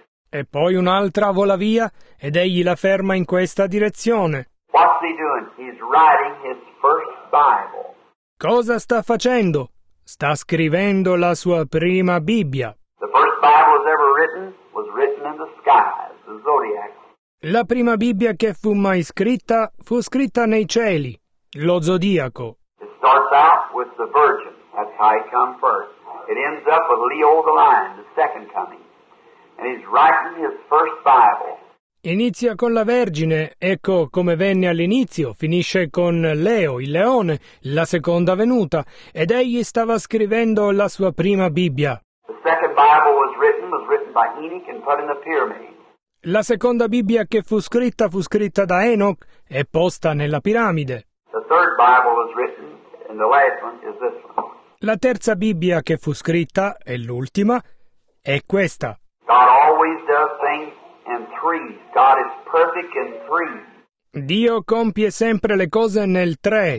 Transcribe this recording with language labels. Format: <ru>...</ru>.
<it>E poi un'altra vola via ed egli la ferma in questa direzione.</it> <en>What's he doing? He's writing his first Bible.</en> <it>Cosa sta facendo? Sta scrivendo la sua prima Bibbia.</it> <en>The first Bible was ever written was written in the skies, the zodiac.</en> <it>La prima Bibbia che fu mai scritta fu scritta nei cieli, lo zodiaco.</it> <en>It starts out with the Virgin. That's how he come first. It ends up with Leo the Lion, the second coming. And he's writing his first Bible.</en> <it>Inizia con la Vergine, ecco come venne all'inizio, finisce con Leo, il leone, la seconda venuta, ed egli stava scrivendo la sua prima Bibbia.</it> <en>The second Bible was written by Enoch and put in the pyramid.</en> <it>La seconda Bibbia che fu scritta da Enoch e posta nella piramide.</it> <en>The third Bible was written and the last one is this one.</en> <it>La terza Bibbia che fu scritta, e l'ultima, è questa.</it> <en>God always does things in threes. God is perfect in threes.</en> <it>Dio compie sempre le cose nel tre.</it>